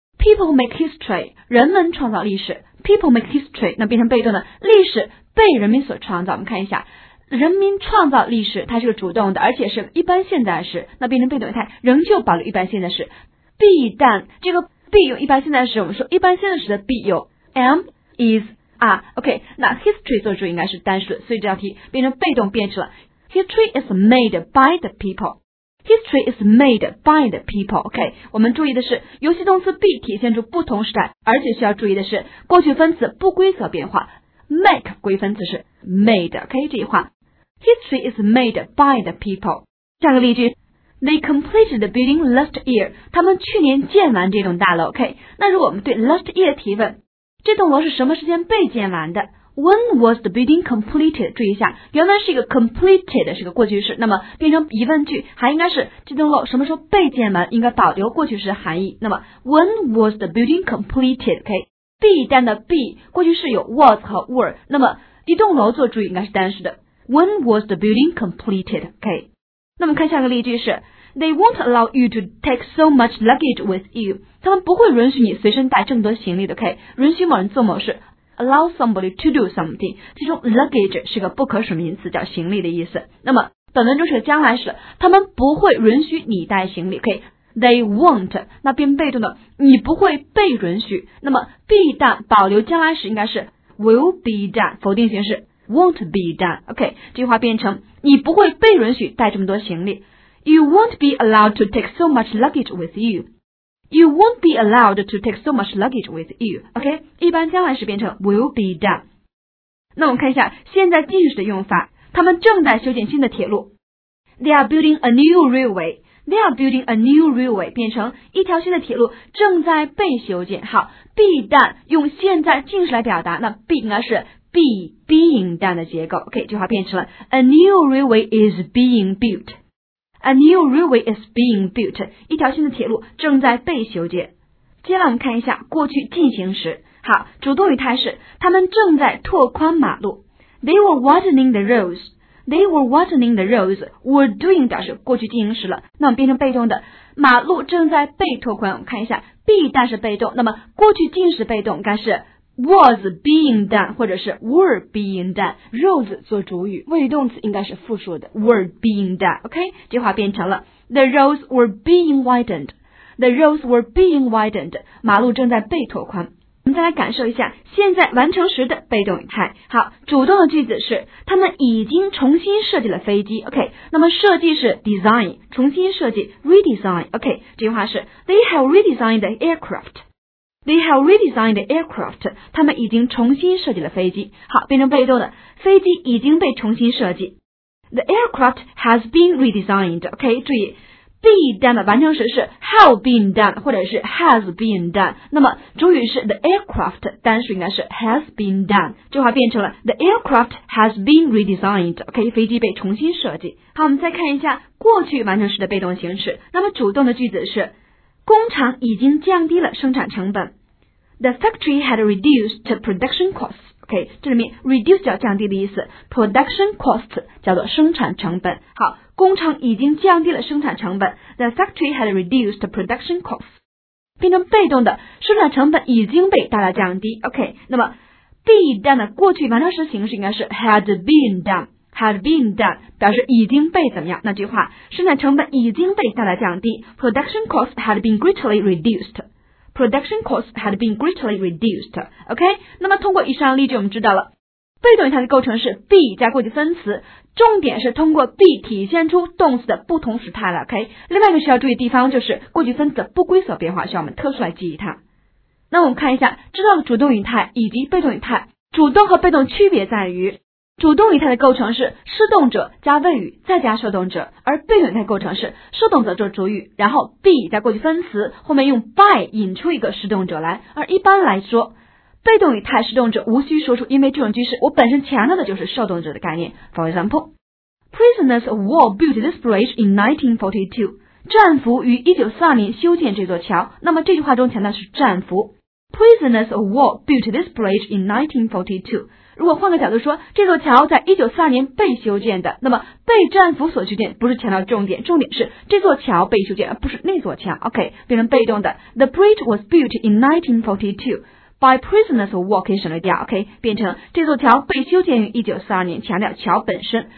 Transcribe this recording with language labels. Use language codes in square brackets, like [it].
[en] People make history， [zh] 人们创造历史。People make history， 那变成被动的，历史被人民所创造。我们看一下，人民创造历史，它是个主动的，而且是一般现在时，那变成被动语态，仍旧保留一般现在时。 be 但这个 be 用一般现在时，我们说一般现在时的 be 有 am、is、are。 OK， 那 history 做主应该是单数，所以这道题变成被动，变成了 [en] history is made by the people。 History is made by the people. [zh] OK， 我们注意的是，由系动词 be 体现出不同时代，而且需要注意的是，过去分词不规则变化。 Make 归分词是 made. [en] OK， [zh] 这句话 [en] ，History is made by the people. [zh] 下个例句 [en] ，They completed the building last year. [zh] 他们去年建完这栋大楼。OK， 那如果我们对 last year 提问，这栋楼是什么时间被建完的？ [en] When was the building completed? [zh] 注意一下，原来是一个 completed， 是个过去式，那么变成疑问句，还应该是这栋楼什么时候被建完，应该保留过去式的含义。 [en] 那么 When was the building completed? [zh] OK， be 单的 be 过去式有 was 和 were， 那么一栋楼做主语应该是单式的。 [en] When was the building completed? OK， [zh] 那么看下个例句是 [en] They won't allow you to take so much luggage with you. [zh] 他们不会允许你随身带这么多行李的。OK， 允许某人做某事。 [en] Allow somebody to do something， [zh] 其中 luggage 是个不可数名词，叫行李的意思。那么本文中是个将来时，他们不会允许你带行李。OK， they won't， 那变被动的，你不会被允许。那么 be done 保留将来时应该是 will be done， 否定形式 won't be done。 OK， 这句话变成你不会被允许带这么多行李。 [en] You won't be allowed to take so much luggage with youYou won't be allowed to take so much luggage with you. [zh] OK， 一般将来时变成 will be done。那我们看一下现在进行时的用法，他们正在修建新的铁路。 [en] They are building a new railway. They are building a new railway [zh] 变成一条新的铁路正在被修建。好， be done 用现在进行时来表达，那 be 应该是 be being done 的结构。 [en] OK， [zh] 这句话变成了 [en] A new railway is being builtA new railway is being built. [zh] 一条新的铁路正在被修建。接下来我们看一下过去进行时。好，主动语态是他们正在拓宽马路。 [en] They were widening the roads. They were widening the roads. [zh] Were doing 表示过去进行时了。那么变成被动的，马路正在被拓宽。我们看一下 ，be 但是被动，那么过去进行时被动应该是 was being done 或者是 were being done。 roads 做主语，谓语动词应该是复数的 were being done。 [en] OK， [zh] 这话变成了 [en] The roads were being widened. The roads were being widened. [zh] 马路正在被拓宽。我们再来感受一下现在完成时的被动语态。好，主动的句子是他们已经重新设计了飞机。 OK， 那么设计是 design， 重新设计 redesign。 [en] OK， [zh] 这句话是 [en] They have redesigned the aircraft. They have redesigned the aircraft. [zh] 他们已经重新设计了飞机。好，变成被动的，飞机已经被重新设计。 [en] The aircraft has been redesigned. OK， [zh] 注意 [en] ，be done [zh] 的完成时是 [en] have been done 或者是 has been done。 [zh] 那么主语是 the aircraft， 单数应该是 has been done。这话变成了 [en] the aircraft has been redesigned. [zh] OK， 飞机被重新设计。好，我们再看一下过去完成时的被动形式。那么主动的句子是。工厂已经降低了生产成本。 [en] The factory had reduced production costs. [zh] OK， 这里面 reduce 叫降低的意思， production cost 叫做生产成本。好，工厂已经降低了生产成本。 [en] The factory had reduced production costs. [zh] 变成被动的，生产成本已经被大大降低。 OK， 那么 be done 的过去完成时形式应该是 had been done。 Had been done 表示已经被怎么样，那句话生产成本已经被大大降低。 [en] Production cost had been greatly reduced. production costs had been greatly reduced. [zh] OK, 那么通过以上例句我们知道了，被动语态的构成是 be 加过去分词，重点是通过 be 体现出动词的不同时态了。 OK, 另外一个需要注意的地方就是过去分词不规则变化需要我们特殊来记忆它。那我们看一下，知道主动语态以及被动语态，主动和被动区别在于，主动语态的构成是施动者加谓语再加受动者，而被动语态构成是受动者做主语，然后 be 加过去分词，后面用 by 引出一个施动者来。而一般来说，被动语态施动者无需说出，因为这种句式我本身强调的就是受动者的概念。 [en] For example, Prisoners of war built this bridge in 1942. [zh] 战俘于1942年修建这座桥，那么这句话中强调的是战俘。 [en] Prisoners of war built this bridge in 1942. [zh] 如果换个角度说，这座桥在1942年被修建的，那么被战俘所修建不是强调重点，重点是这座桥被修建，而不是那座桥。 [en] OK, [zh] 变成被动的 [en] The bridge was built in 1942 by prisoners of war [zh] 可以省略掉。 [en] OK, [zh] 变成这座桥被修建于1942年，强调桥本身。